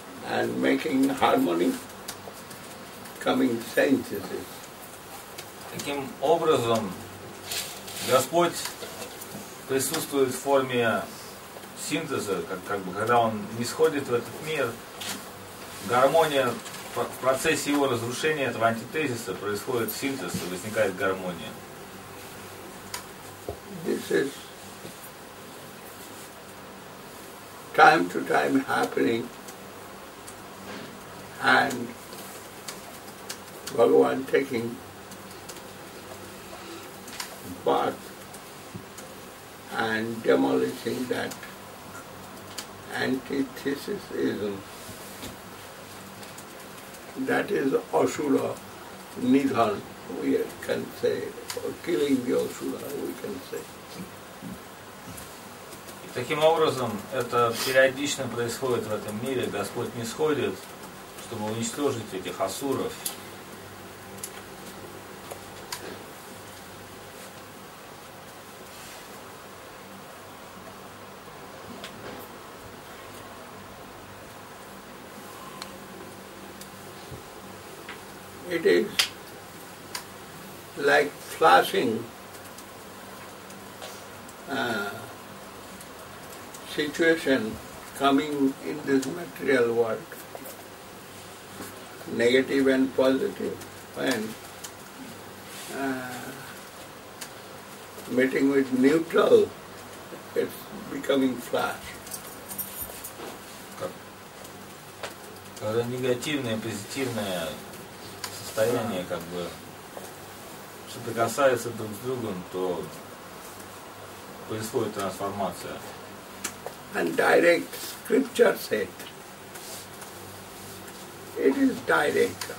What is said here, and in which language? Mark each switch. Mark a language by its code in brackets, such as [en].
[en] and making harmony, coming synthesis. [ru] Таким образом, Господь присутствует в форме синтеза, как бы, когда Он нисходит в этот мир, гармония, в процессе Его разрушения, этого антитезиса, происходит синтез, и возникает гармония. [en] This is time to time happening, and Bhagavan taking part and demolishing that antithesis ism. That is Asura Nidhan, we can say, or killing the Asura, we can say. [ru] Таким образом, это периодично происходит в этом мире. Господь нисходит, чтобы уничтожить этих асуров. [en] It is like flashing. Situation coming in this material world, negative and positive, and meeting with neutral, it's becoming flash. [ru] Когда негативное, позитивное состояние как бы что-то касается друг с другом, то происходит трансформация. [en] And direct scripture said, it is direct.